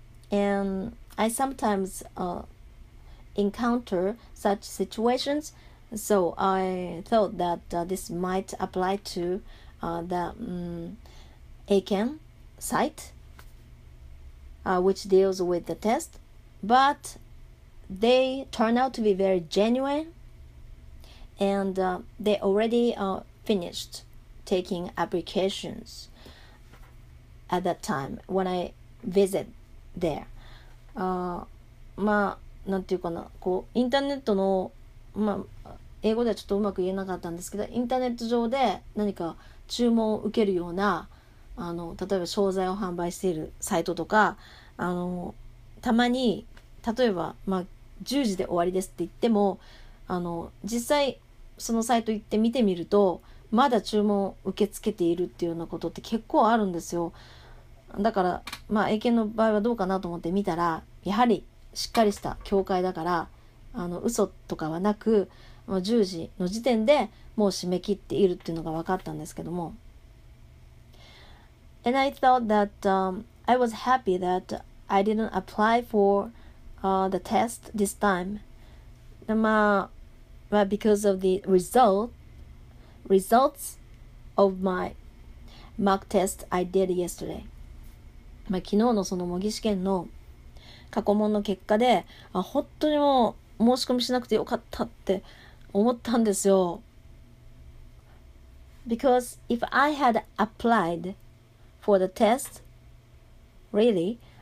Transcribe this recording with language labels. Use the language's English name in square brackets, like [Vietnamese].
[English] And I sometimes encounter such situations, so I thought that this might apply to the AKOCHAN site, which deals with the test. But they turn out to be very genuine, and they already finished taking applications at that time when I visit there. [Japanese] まあなんていうかな、こうインターネットの、まあ英語ではちょっとうまく言えなかったんですけど、インターネット上で何か注文を受けるような、例えば商材を販売しているサイトとか、たまに例えば、まあ、10時で終わりですって言っても、実際そのサイト行って見てみるとまだ注文受け付けているっていうようなことって結構あるんですよ。だから、まあ、英検の場合はどうかなと思って見たら、やはりしっかりした協会だから、嘘とかはなく、まあ、10時の時点でもう締め切っているっていうのが分かったんですけども。 [English] And I thought that I was happy that I didn't apply forthe test this time, because of the results of my mock test I did yesterday. [Japanese] まあ、昨日のその模擬試験の過去問の結果で、本当にもう申し込みしなくてよかったって思ったんですよ。 [English] Because if I had applied for the test, really,